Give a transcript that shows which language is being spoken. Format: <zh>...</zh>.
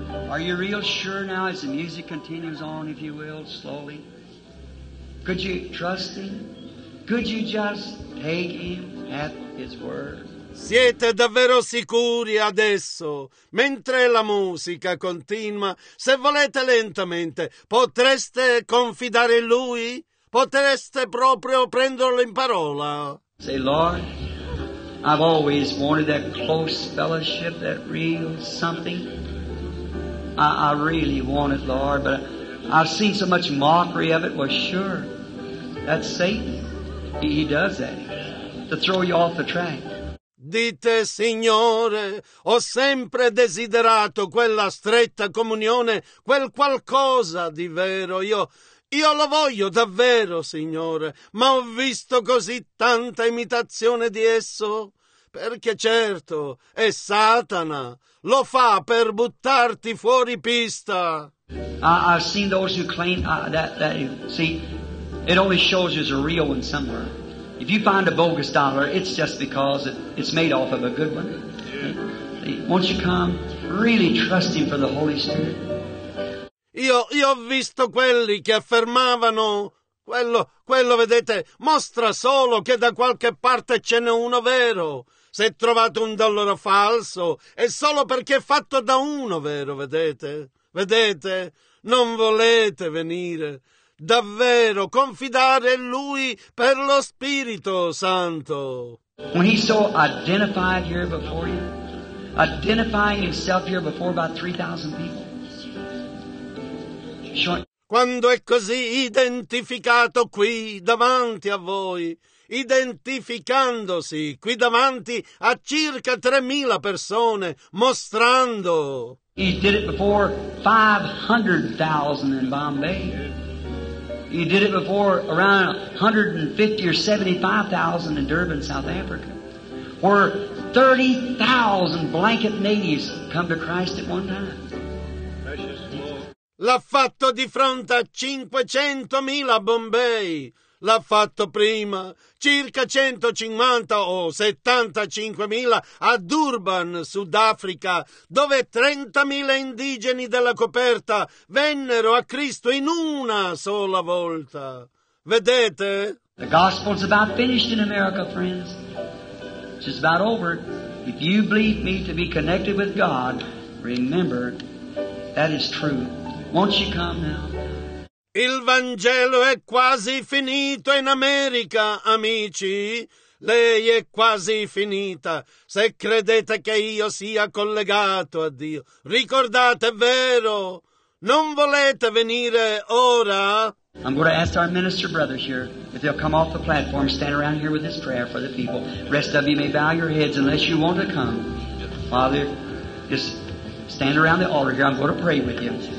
<en>Are you real sure now as the music continues on, if you will, slowly? Could you trust him? Could you just take him at his word?</en> <it>Siete davvero sicuri adesso, mentre la musica continua, se volete lentamente, potreste confidare in lui? Potreste proprio prenderlo in parola?</it> <en>Say, Lord, I've always wanted that close fellowship, that real something. I really want it, Lord, but I've seen so much mockery of it. Well, sure, that's Satan. He does that to throw you off the track.</en> <it>Dite, Signore, ho sempre desiderato quella stretta comunione, quel qualcosa di vero. Io lo voglio davvero, Signore, ma ho visto così tanta imitazione di esso. Perché certo, è Satana, lo fa per buttarti fuori pista.</it> <en>I've seen those who claim that see, it only shows there's a real one somewhere. If you find a bogus dollar, it's just because it's made off of a good one. Won't you come? Really trust him for the Holy Spirit.</en> <it>Io ho visto quelli che affermavano quello vedete, mostra solo che da qualche parte ce n'è uno vero. Se trovate un dollaro falso, è solo perché è fatto da uno vero, vedete? Vedete? Non volete venire. Davvero, confidare in lui per lo Spirito Santo.</it> <en>When he's so identified here before you, identifying himself here before about 3,000 people.</en> <it>Quando è così identificato qui davanti a voi, identificandosi qui davanti a circa 3,000 persone, mostrando.</it> <en>He did it before 500,000 in Bombay. He did it before around 150 or 75,000 in Durban, South Africa, where 30,000 blanket natives come to Christ at one time.</en> <it>L'ha fatto di fronte a 500,000 a Bombay. L'ha fatto prima circa 150 o 75,000 a Durban, Sudafrica, dove 30,000 indigeni della coperta vennero a Cristo in una sola volta. Vedete?</it> <en>The gospel's about finished in America, friends. It's just about over. If you believe me to be connected with God, remember, that is true. Won't you come now?</en> <it>Il Vangelo è quasi finito in America, amici. Lei è quasi finita. Se credete che io sia collegato a Dio, ricordate, vero? Non volete venire ora?</it> <en>I'm going to ask our minister brother here if they'll come off the platform, stand around here with his prayer for the people. Rest of you may bow your heads unless you want to come. Father, just stand around the altar here. I'm going to pray with you.</en>